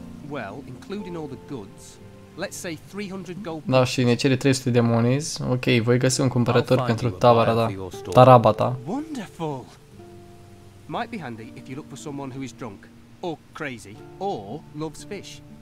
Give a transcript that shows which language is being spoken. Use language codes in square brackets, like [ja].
[en] Well, including all the goods, let's say 300 gold. [ro] Da, și ne cere 300 de monizi. Ok, voi găsi un cumpărător pentru tabara ta. Taraba ta. [en] Wonderful. Might be handy if you look for someone who is drunk or crazy or loves fish.